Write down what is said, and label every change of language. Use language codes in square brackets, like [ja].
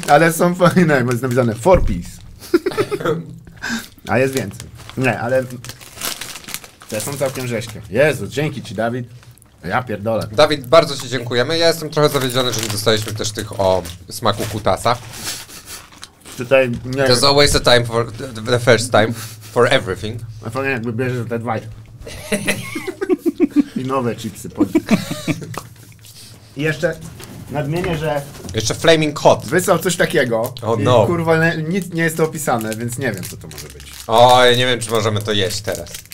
[pl] Ale są fajne, bo jest napisane [en] four piece. [pl] A jest więcej. Nie, ale... Te są całkiem rzeźkie. Jezu, dzięki ci, Dawid. Ja pierdolę. Dawid, bardzo ci dziękujemy. Ja jestem trochę zawiedziony, że nie dostaliśmy też tych o smaku kutasa. Tutaj nie. [en] There's always a time for the first time for everything. [pl] A fajnie, jakby bierzesz te dwa. I nowe chipsy. I jeszcze nadmienię, że. Jeszcze Flaming Hot. Wysłał coś takiego. Oh, i no. Kurwa, nic nie jest to opisane, więc nie wiem, co to może być. O, ja nie wiem, czy możemy to jeść teraz.